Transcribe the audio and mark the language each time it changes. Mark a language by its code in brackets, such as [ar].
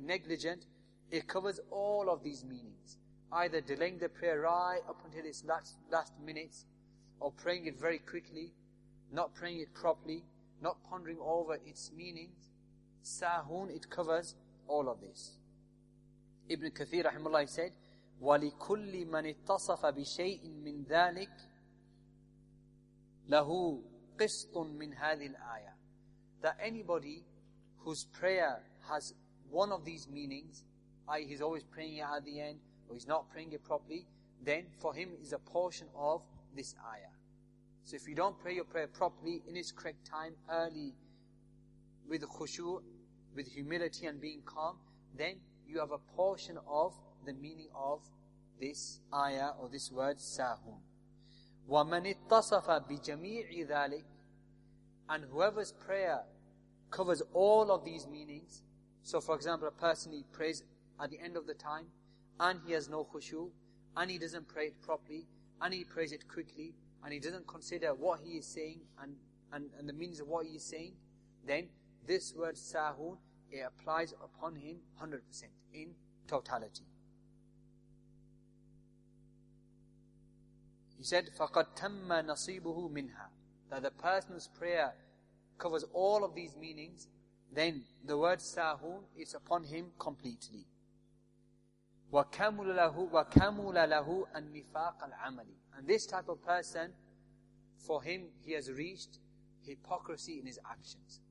[en] negligent, it covers all of these meanings. Either delaying the prayer right up until its last minutes, or praying it very quickly, not praying it properly, not pondering over its meanings. Sahoon, it covers all of this. Ibn Kathir, rahimahullah, said, [ar] وَلِكُلِّ مَنِ اتَّصَفَ بِشَيْءٍ مِّنْ ذَلِكِ لَهُ قِسْطٌ مِّنْ هَذِي الْآيَةِ. [en] That anybody whose prayer has one of these meanings, i.e. he's always praying it at the end, or he's not praying it properly, then for him is a portion of this ayah. So if you don't pray your prayer properly, in its correct time, early, with khushu, with humility and being calm, then you have a portion of the meaning of this ayah, or this word, sahun. [ar] وَمَنِ اتَّصَفَ بِجَمِيعِ ذَلِكِ. [en] And whoever's prayer covers all of these meanings, so for example, a person, he prays at the end of the time, and he has no khushu, and he doesn't pray it properly, and he prays it quickly, and he doesn't consider what he is saying, and the meanings of what he is saying, then this word sahun, it applies upon him 100% in totality. He said, [ar] فَقَدْ تَمَّ نَصِيبُهُ مِنْهَا. [en] That the person's prayer covers all of these meanings, then the word sahun is upon him completely. [ar] وَكَمُلَ لَهُ النِّفَاقَ الْعَمَلِ. [en] And this type of person, for him, he has reached hypocrisy in his actions.